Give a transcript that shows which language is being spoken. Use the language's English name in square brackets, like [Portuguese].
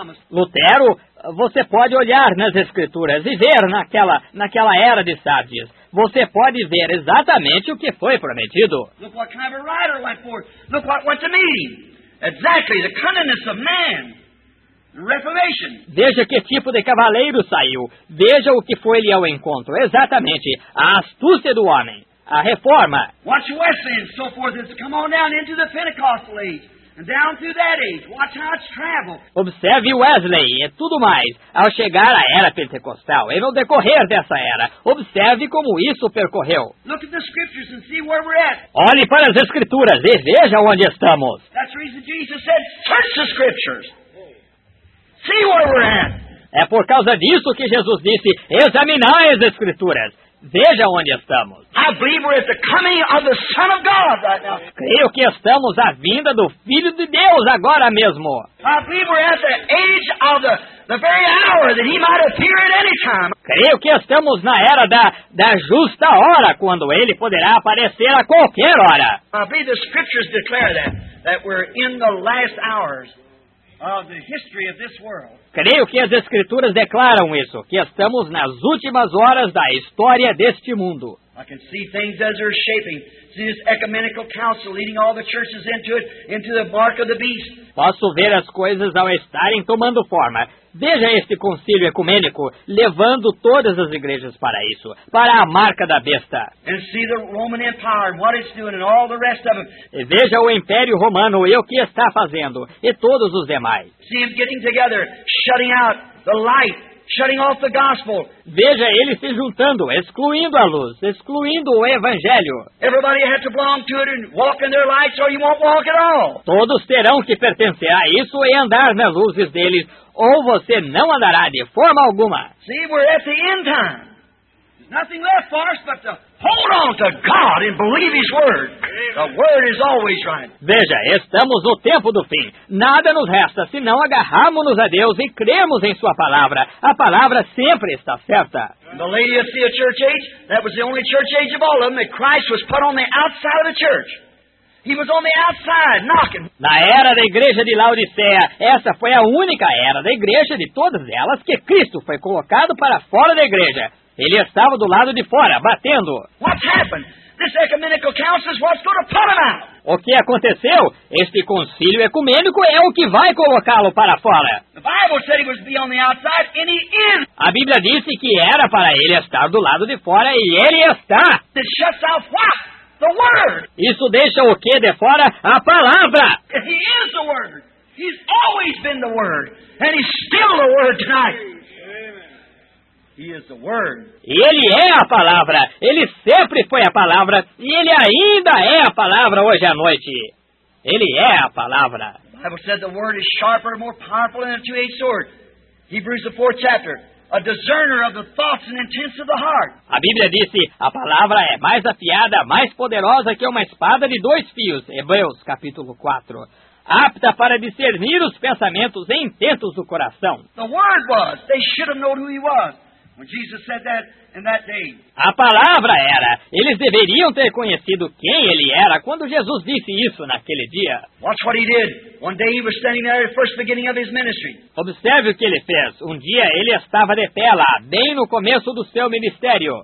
[Portuguese] Lutero, você pode olhar nas Escrituras e ver naquela era de Sardes. Você pode ver exatamente o que foi prometido. [English] Look what kind of a writer went for. Look what went to meeting. Exactly, the cunningness of man. Reformation. [Portuguese] Veja que tipo de cavaleiro saiu. Veja o que foi lhe ao encontro. Exatamente, a astúcia do homem. A reforma. [English] Watch Wesley and so forth. It's come on down into the Pentecostal age. And down through that age, watch how it's traveled. [Portuguese] Observe Wesley e tudo mais. Ao chegar à era pentecostal, e no decorrer dessa era, observe como isso percorreu. [English] Look at the scriptures and see where we're at. [Portuguese] Olhe para as Escrituras e veja onde estamos. [English] That's the reason Jesus said, search the scriptures. See where we're at. [Portuguese] É por causa disso que Jesus disse, examinai as Escrituras. Veja onde estamos. [English] I believe we're at the coming of the Son of God right now. [Portuguese] Creio que estamos à vinda do Filho de Deus agora mesmo. [English] I believe we're at the age of the very hour that he might appear at any time. [Portuguese] Creio que estamos na era da justa hora, quando ele poderá aparecer a qualquer hora. [English] I believe the scriptures declare that we're in the last hours of the history of this world. [Portuguese] Creio que as Escrituras declaram isso, que estamos nas últimas horas da história deste mundo. [English] I can see things as they're shaping. See this ecumenical council leading all the churches into it, into the mark of the beast. [Portuguese] Posso ver as coisas ao estarem tomando forma. Veja este concílio ecumênico levando todas as igrejas para isso, para a marca da besta. [English] And see the Roman Empire and what it's doing and all the rest of them. [Portuguese] E veja o Império Romano e o que está fazendo, e todos os demais. [English] See them getting together, shutting out the light. Shutting off the gospel. [Portuguese] Veja eles se juntando, excluindo a luz, excluindo o evangelho. [English] Everybody has to belong to it and walk in their lights or you won't walk at all. [Portuguese] Todos terão que pertencer a isso e andar nas luzes deles, ou você não andará de forma alguma. [English] See, we're at the end time. There's nothing left for us but to hold on to God and believe His word. The word is always right. [Portuguese] Veja, estamos no tempo do fim. Nada nos resta senão agarrarmos-nos a Deus e cremos em Sua palavra. A palavra sempre está certa. [English] In the Laodicea church age, that was the only church age of all of them, that Christ was put on the outside of the church. He was on the outside knocking. [Portuguese] Na era da igreja de Laodicea, essa foi a única era da igreja de todas elas que Cristo foi colocado para fora da igreja. Ele estava do lado de fora, batendo. [English] What's happened? This ecumenical council is what's going to put him out. [Portuguese] O que aconteceu? Este concílio ecumênico é o que vai colocá-lo para fora. [English] The Bible said he was to be on the outside, and he is. [Portuguese] A Bíblia disse que era para ele estar do lado de fora, e ele está. [English] It shuts out what? The word. [Portuguese] Isso deixa o que de fora? A palavra. [English] He is the word. He's always been the word. And he's still the word tonight. He is the word. [Portuguese] Ele é a palavra. Ele sempre foi a palavra. E ele ainda é a palavra hoje à noite. Ele é a palavra. [English] The Bible said the word is sharper, more powerful than a two-edged sword. Hebrews the fourth chapter. A discerner of the thoughts and intents of the heart. [Portuguese] A Bíblia disse, a palavra é mais afiada, mais poderosa que uma espada de dois fios. Hebreus capítulo 4. Apta para discernir os pensamentos e intentos do coração. [English] The word was. They should have known who he was. When Jesus said that in that day. [Portuguese] A palavra era. Eles deveriam ter conhecido quem ele era quando Jesus disse isso naquele dia. [English] Watch what he did. One day he was standing there at the first beginning of his ministry. [Portuguese] Observe o que ele fez. Um dia ele estava de pé lá, bem no começo do seu ministério.